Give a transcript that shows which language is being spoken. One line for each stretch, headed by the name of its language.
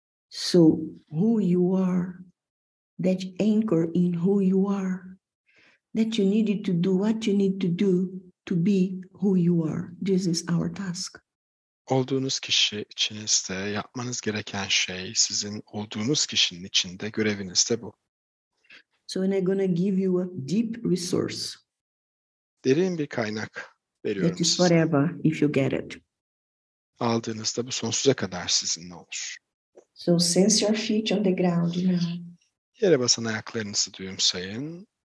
English: So who you are, that anchor in who you are, that you needed to do what you need to do to be who you are. This is our task.
Turkish: Olduğunuz kişi içinizde yapmanız gereken şey, sizin olduğunuz kişinin içinde göreviniz de bu.
English: So I'm gonna give you a deep resource.
Turkish: Derin bir kaynak.
English: That is forever if you get it.
Turkish: Aldığınızda bu sonsuza kadar sizinle olur.
English: So sense your feet on the ground now.
Turkish: Yere basan ayaklarınızı duyumsayın.